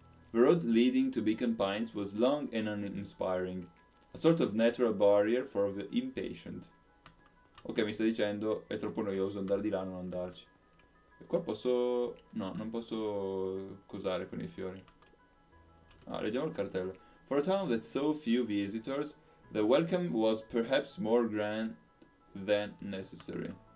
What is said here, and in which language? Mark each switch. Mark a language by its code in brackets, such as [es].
[en] The road leading to Beacon Pines was long and uninspiring. A sort of natural barrier for the impatient. [it] Ok, mi sta dicendo, è troppo noioso andare di là e non andarci. E qua posso. No, non posso. Cosare con i fiori. Ah, leggiamo il cartello. [en] For a town with so few visitors, the welcome was perhaps more grand than necessary.